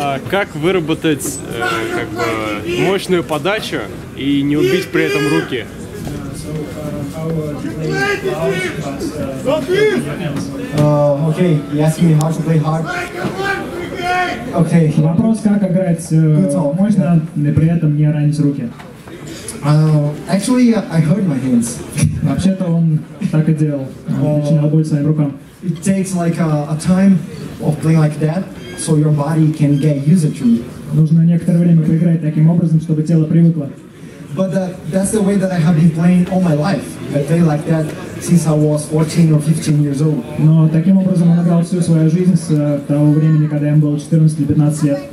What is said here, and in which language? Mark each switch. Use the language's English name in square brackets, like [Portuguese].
[Russian] Как выработать как бы мощную подачу и не убить при этом руки? [English] Okay, you ask me how to play hard. Okay. [Russian] Вопрос, как играть мощно, но при этом не ранить руки. [English] Actually, I hurt my hands. [Russian] Вообще-то он так и делал. Начинал боль своим рукам. [English] It takes like a time of playing like that, so your body can get used to it. [Russian] Нужно некоторое время поиграть таким образом, чтобы тело привыкло. [English] But that's the way that I have been playing all my life. I play like that since I was 14 or 15 years old. [Russian] Но таким образом он играл всю свою жизнь с того времени, когда ему было 14 или 15 лет.